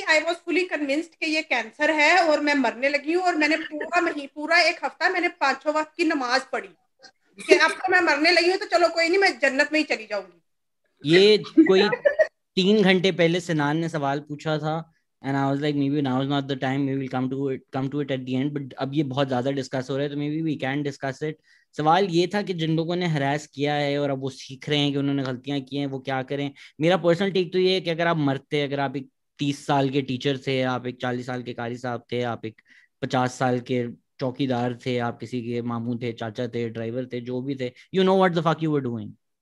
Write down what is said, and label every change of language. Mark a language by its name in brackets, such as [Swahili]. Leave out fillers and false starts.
[English] I was fully convinced [Hindi] कि ये cancer है और मैं मरने लगी हूँ. और मैंने पूरा एक हफ्ता मैंने पांचों वक्त की नमाज पढ़ी कि अब तो मैं मरने लगी हूँ तो चलो कोई नहीं, मैं जन्नत में ही चली जाऊंगी. ये कोई 3 घंटे पहले सिनान ने सवाल पूछा था. [English] And I was like, maybe now is not the time. Maybe we'll come to it at the end. [Hindi] But अब ये बहुत ज़्यादा discuss हो रहा है, तो [English] maybe we can discuss it. [Hindi] सवाल ये था कि जिन लोगों ने harass किया है और अब वो सीख रहे हैं कि उन्होंने गलतियाँ की हैं, वो क्या करें. मेरा personal take तो ये है कि अगर आप मरते, अगर आप एक 30 साल के teacher थे, आप एक 40 साल के कारी साहब थे, आप एक 50 साल के चौकीदार थे, आप किसी के मामू थे, चाचा थे, ड्राइवर थे, जो भी थे, [English] you know what the fuck you were doing.